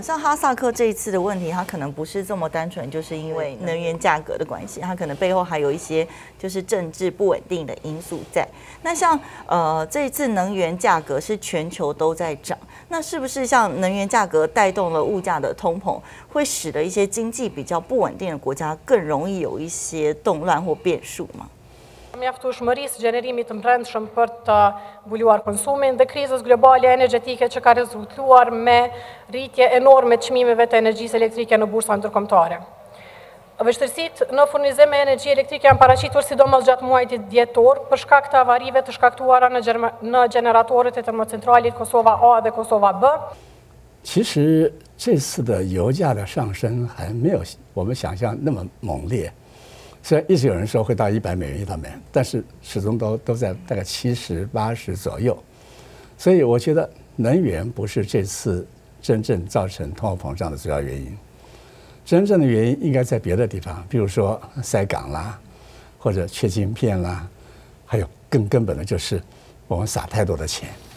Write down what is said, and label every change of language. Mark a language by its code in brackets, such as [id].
[zh] 像哈萨克这一次的问题，它可能不是这么单纯，就是因为能源价格的关系，它可能背后还有一些就是政治不稳定的因素在。那像这一次能源价格是全球都在涨，那是不是像能源价格带动了物价的通膨，会使得一些经济比较不稳定的国家更容易有一些动乱或变数吗？ [sq] Mjaftueshmërisë së gjenerimit të brendshëm për të mbuluar konsumin dhe krizës globale energjetike që ka rezultuar me rritje enorme të çmimeve të energjisë elektrike në bursa ndërkombëtare. Vështirësitë në furnizim me energji elektrike janë paraqitur sidomos gjatë muajit dhjetor për shkak të avarive të shkaktuara në gjeneratorët e termocentralit Kosova A dhe Kosova B. [zh] 其实这次的油价的上升还没有我们想象那么猛烈。虽然一直有人说会到100美元一桶煤，但是始终都在大概70、80左右，所以我觉得能源不是这次真正造成通货膨胀的主要原因，真正的原因应该在别的地方，比如说塞港啦，或者缺晶片啦，还有更根本的就是我们撒太多的钱，